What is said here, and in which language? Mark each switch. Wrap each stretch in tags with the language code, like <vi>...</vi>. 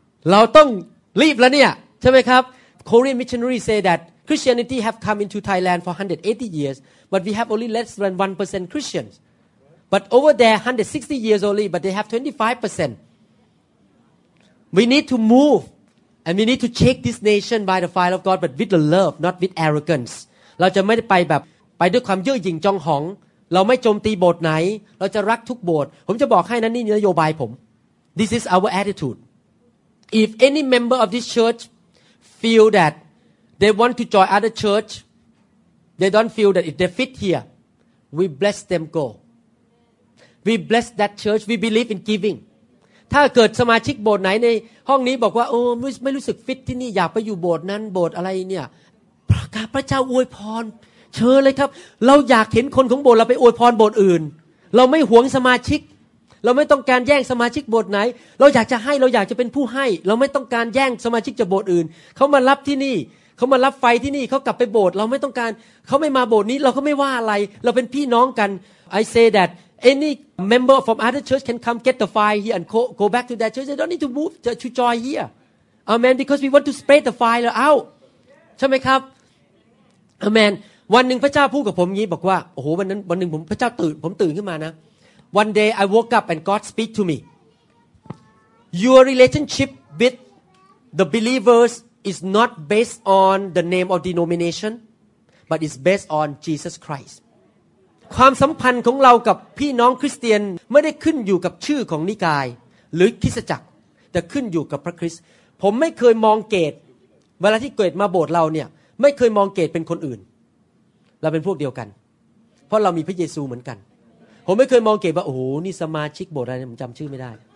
<th>เราต้องรีบแล้วเนี่ยใช่ไหมครับ</th> <en>Korean missionary say that Christianity have come into Thailand for 180 years but we have only less than 1% Christians but over there 160 years only but they have 25% we need to moveAnd we need to shake this nation by the fire of God, but with the love, not with arrogance.</en> <th>เราจะไม่ได้ไปแบบไปด้วยความยื้อหยิ่งจองหองเราไม่โจมตีโบสถ์ไหนเราจะรักทุกโบสถ์ผมจะบอกให้นั้นนี่นโยบายผม</th> <en>This is our attitude. If any member of this church feel that they want to join other church, they don't feel that if they fit here, we bless them go. We bless that church. We believe in giving.</en> <th>ถ้าเกิดสมาชิกโบสถ์ไหนในห้องนี้บอกว่าโอ้ไม่รู้สึกฟิตที่นี่อยากไปอยู่โบสถ์นั้นโบสถ์อะไรเนี่ยประกาศพระเจ้าอวยพรเชิญเลยครับเราอยากเห็นคนของโบสถ์เราไปอวยพรโบสถ์อื่นเราไม่หวงสมาชิก เราไม่ต้องการแย่งสมาชิกโบสถ์ไหนเราอยากจะให้เราอยากจะเป็นผู้ให้เราไม่ต้องการแย่งสมาชิกจากโบสถ์อื่นเขามารับที่นี่เขามารับไฟที่นี่เขากลับไปโบสถ์เราไม่ต้องการเขาไม่มาโบสถ์นี้เราก็ไม่ว่าอะไรเราเป็นพี่น้องกัน</th> <en>I say thatAny member from other church can come get the fire here and go back to that church. They don't need to move to join here. Amen. Because we want to spread the fire out.</en> <th>ใช่ไหมครับ Amen. วันหนึ่งพระเจ้าพูดกับผมงี้บอกว่าโอ้โหวันนั้นวันหนึ่งผมพระเจ้าตื่นผมตื่นขึ้นมานะ</th> <en>One day I woke up and God speak to me. Your relationship with the believers is not based on the name of denomination, but it's based on Jesus Christ.</en> <th>ความสัมพันธ์ของเรากับพี่น้องคริสเตียนไม่ได้ขึ้นอยู่กับชื่อของนิกายหรือคริสตจักรแต่ขึ้นอยู่กับพระคริสต์ผมไม่เคยมองเกตเวลาที่เกตมาโบสถ์เราเนี่ยไม่เคยมองเกตเป็นคนอื่นเราเป็นพวกเดียวกันเพราะเรามีพระเยซูเหมือนกันผมไม่เคยมองเกตว่าโอ้โหนี่สมาชิกโบสถ์อะไรผมจำชื่อไม่ได้</th>